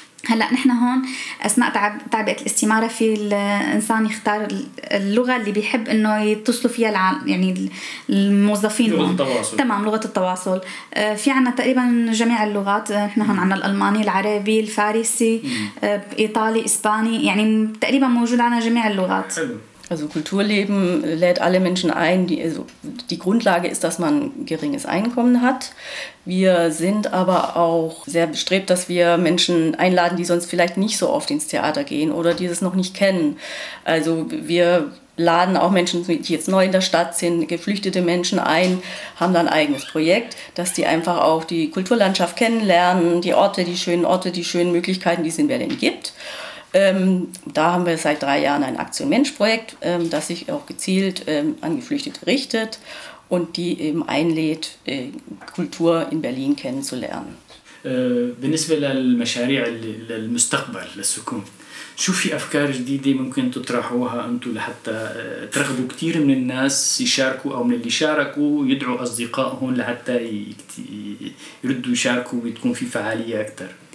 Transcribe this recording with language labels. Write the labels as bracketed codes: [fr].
[ar] هلأ نحن هون أثناء تعبئة الاستمارة في الإنسان يختار اللغة اللي بيحب أنه يتصلوا فيها يعني الموظفين، لغة التواصل. تمام، لغة التواصل في عنا تقريبا جميع اللغات، نحن هون عنا الألماني، العربي، الفارسي، إيطالي، إسباني، يعني تقريبا موجود عنا جميع اللغات. حلو. [de] Also Kulturleben lädt alle Menschen ein. Die Grundlage ist, dass man geringes Einkommen hat. Wir sind aber auch sehr bestrebt, dass wir Menschen einladen, die sonst vielleicht nicht so oft ins Theater gehen oder die es noch nicht kennen. Also wir laden auch Menschen, die jetzt neu in der Stadt sind, geflüchtete Menschen ein, haben dann ein eigenes Projekt, dass die einfach auch die Kulturlandschaft kennenlernen, die Orte, die schönen Orte, die schönen Möglichkeiten, die es in Berlin gibt. Da haben wir seit 3 Jahren ein Aktion Mensch-Projekt, das sich auch gezielt an Geflüchtete richtet und die eben einlädt, Kultur in Berlin kennenzulernen. [ar] بالنسبة للمشاريع للمستقبل للسكون، شو في أفكار جديدة ممكن تطرحوها أنتوا لحتى ترغبوا كتير من الناس يشاركوا أو من اللي شاركوا يدعوا أصدقائهم لحتى يردوا يشاركوا ويتكون في فعالية أكتر؟